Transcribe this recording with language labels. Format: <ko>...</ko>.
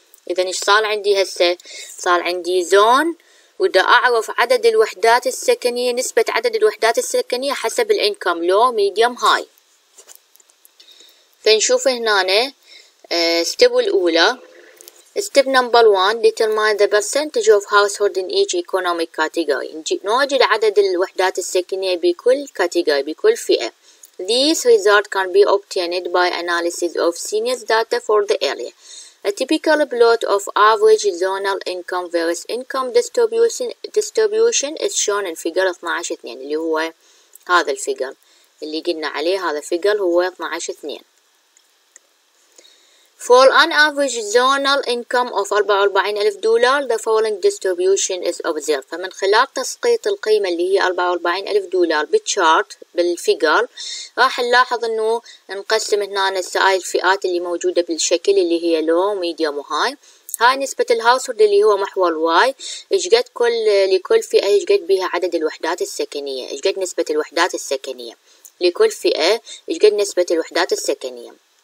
<ar>إذا إيش صار عندي هسه؟ صار عندي زون ودا أعرف عدد الوحدات السكنية نسبة عدد الوحدات السكنية حسب الإنكم لو ميديوم هاي. فنشوف هنا</ar> <en>Step الأولى step number 1 determine the percentage of household in each economic category.</en> <ar>نوجد عدد الوحدات السكنية بكل كاتيجوري بكل فئة.</ar> <en>These results can be obtained by analysis of seniors data for the area. A typical plot of average zonal income versus income distribution is shown in figure 12-2</en> <ar>اللي هو هذا الفيجر اللي قلنا عليه. هذا الفيجر هو 12-2.</ar> <en>For an average zonal income of 44,000 dollar the following distribution is observed.</en> <ar>فمن خلال تسقيط القيمة اللي هي 44,000 دولار بالشارت بالفيجر راح نلاحظ انه نقسم هنا هاي الفئات اللي موجودة بالشكل اللي هي low, medium وhigh. هاي نسبة الهاوسولد اللي هو محور واي ايش قد لكل فئة ايش قد بها عدد الوحدات السكنية ايش قد نسبة الوحدات السكنية لكل فئة ايش قد نسبة الوحدات السكنية.</ar>